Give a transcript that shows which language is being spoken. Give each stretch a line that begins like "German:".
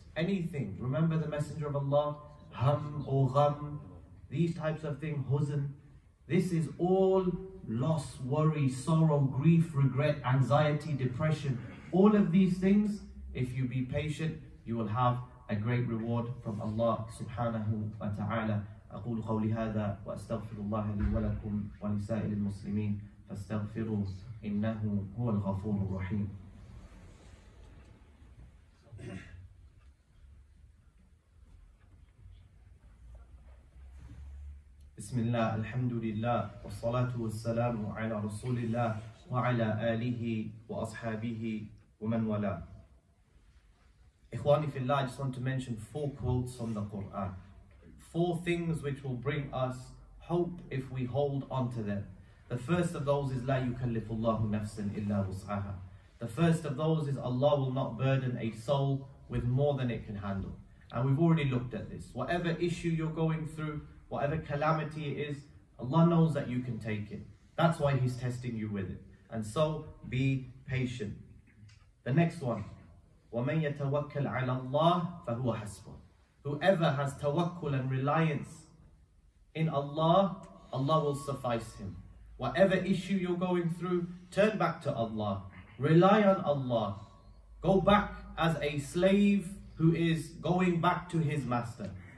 English: Anything. Remember the Messenger of Allah? Ham or gham. These types of things. Huzn. This is all loss, worry, sorrow, grief, regret, anxiety, depression. All of these things, if you be patient, you will have a great reward from Allah subhanahu wa ta'ala.
Arabic: أقول قولي هذا وأستغفر الله لي ولكم ولسائر المسلمين فاستغفروا إنه هو الغفور الرحيم. بسم الله الحمد لله والصلاة والسلام على رسول الله وعلى آله وأصحابه ومن والاه. إخواني في الله,
English: I just want to mention four quotes from the Quran. Four things which will bring us hope if we hold on to them. The first of those is
Arabic: La yukallifullahu nafsan illa wus'aha.
English: The first of those is Allah will not burden a soul with more than it can handle. And we've already looked at this. Whatever issue you're going through, whatever calamity it is, Allah knows that you can take it. That's why He's testing you with it. And so be patient. The next one,
Arabic: وَمَنْ يَتَوَكَّلْ عَلَى اللَّهِ فَهُوَ حَسْبُهُ.
English: Whoever has tawakkul and reliance in Allah, Allah will suffice him. Whatever issue you're going through, turn back to Allah. Rely on Allah. Go back as a slave who is going back to his master.